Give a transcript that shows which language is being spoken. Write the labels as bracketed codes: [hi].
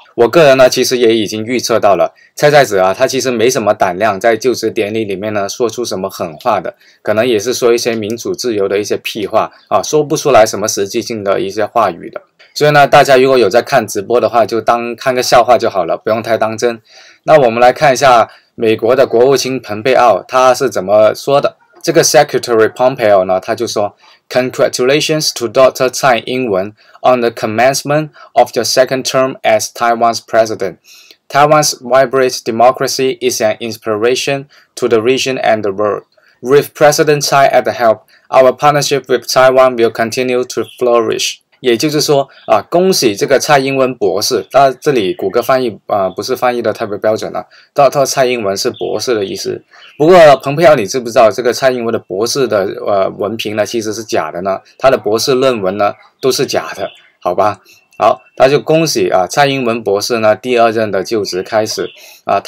[zh] 我个人呢其实也已经预测到了蔡蔡子啊，他其实没什么胆量在就职典礼里面呢说出什么狠话的，可能也是说一些民主自由的一些屁话啊，说不出来什么实际性的一些话语的。所以呢，大家如果有在看直播的话，就当看个笑话就好了，不用太当真。那我们来看一下美国的国务卿蓬佩奥他是怎么说的。这个 Secretary Pompeo 呢，他就说 [en] Congratulations to Dr. Tsai Ing-wen on the commencement of your second term as Taiwan's president. Taiwan's vibrant democracy is an inspiration to the region and the world. With President Tsai at the helm, our partnership with Taiwan will continue to flourish. [zh] 也就是说啊，恭喜这个蔡英文博士。那这里谷歌翻译啊，不是翻译的特别标准了。 Dr. 蔡英文是博士的意思。不过蓬佩奥，你知不知道这个蔡英文的博士的文凭呢，其实是假的呢？他的博士论文呢，都是假的，好吧？好，那就恭喜啊，蔡英文博士呢，第二任的就职开始啊。